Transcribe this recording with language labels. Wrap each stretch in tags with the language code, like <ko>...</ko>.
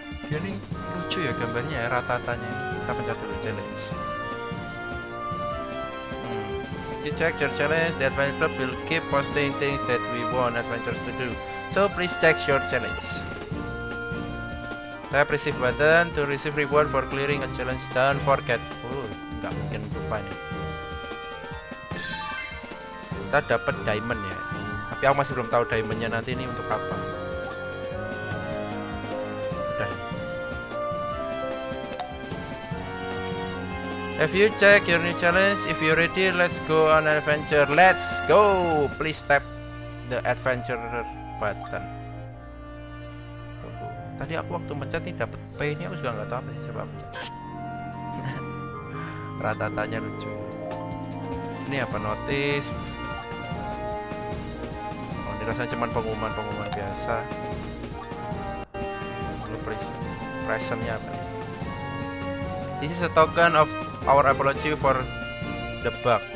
<id>Ya ini lucu ya gambarnya ya, rata-ratanya. Tak pencet dulu challenge.</id> <en>You check your challenge, the adventure club will keep posting things that we want adventurers to do. So please check your challenge. Tap receive button to receive reward for clearing a challenge. Don't forget.</en> <id>Gak mungkin lupa nih. Kita dapat diamond ya. Tapi aku masih belum tahu diamondnya nanti ini untuk apa.</id> <en>If you check your new challenge, if you're ready, let's go on an adventure. Let's go! Please tap the adventure button.</en> <id>Tadi aku waktu mencet nih dapet P ini, aku juga nggak tahu apa ya. Coba aku cek. Rata-ratanya lucu. Ini apa, notice? Oh, ini rasanya cuma pengumuman-pengumuman biasa. Lalu present-nya apa?</id> <en>This is a token of our apology for the bug.</en>